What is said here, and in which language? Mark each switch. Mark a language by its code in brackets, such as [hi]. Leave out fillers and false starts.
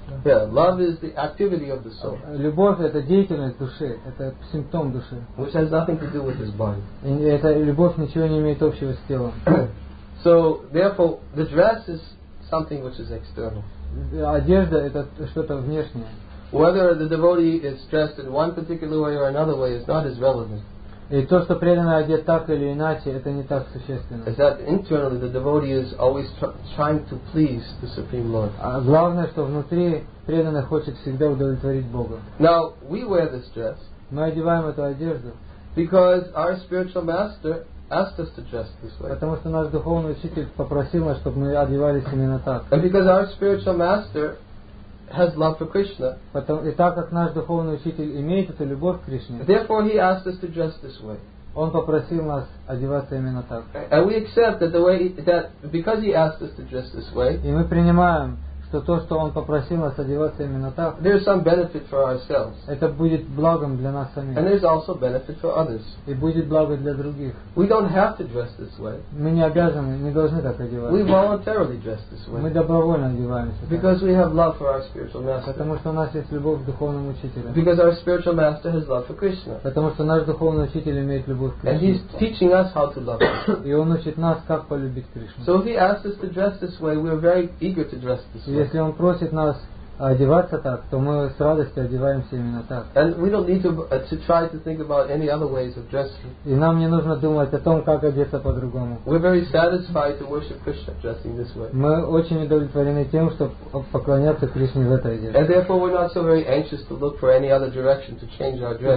[en] Yeah, love is the activity of the soul. [ru] Любовь это деятельность души, это симптом души. [en] Which has nothing to do with his body. [ru] Это любовь ничего не имеет общего с телом. [en] So therefore, the dress is something which is external. [ru] Одежда это что-то внешнее. [en] Whether the devotee is dressed in one particular way or another way is not as relevant. [ru] И то, что преданный одет так или иначе, это не так существенно. [en] Is that internally the devotee is always trying to please the Supreme Lord. [ru] А главное, что внутри преданный хочет всегда удовлетворить Бога. [en] Now we wear this dress. [ru] Мы одеваем эту одежду. [en] Because our spiritual master asked us to dress this way. [ru] Потому что наш духовный учитель попросил нас, чтобы мы одевались именно так. [en] And because our spiritual master has love for Krishna. [ru] И так как наш духовный учитель имеет эту любовь к Кришне. [en] Therefore he asked us to dress this way. [ru] Он попросил нас одеваться именно так. [en] And we accept that the way that because he asked us to dress this way. [ru] И мы принимаем, что то, что он попросил нас одеваться именно так, [en] there is some benefit for ourselves. [ru] Это будет благом для нас самих. [en] And there is also benefit for others. [ru] И будет благо для других. [en] We don't have to dress this way. [ru] Мы не обязаны, не должны так одеваться. [en] We voluntarily dress this way. [ru] Мы добровольно одеваемся. [en] Because we have love for our spiritual master. [ru] Потому что у нас есть любовь к духовному учителю. [en] Because our spiritual master has love for Krishna. [ru] Потому что наш духовный учитель имеет любовь к Кришне. [en] And he's teaching us how to love Krishna. [ru] И он учит нас, как полюбить Кришну. [en] So if he asks us to dress this way, we are very eager to dress this way. [ru] Если он просит нас одеваться так, то мы с радостью одеваемся именно так. [en] And we don't need to try to think about any other ways of dressing. [ru] И нам не нужно думать о том, как одеться по-другому. [en] We're very satisfied to worship Krishna dressing this way. [ru] Мы очень удовлетворены тем, чтобы поклоняться Кришне в этой одежде. [en] And therefore we're not so very anxious to look for any other direction to change our dress.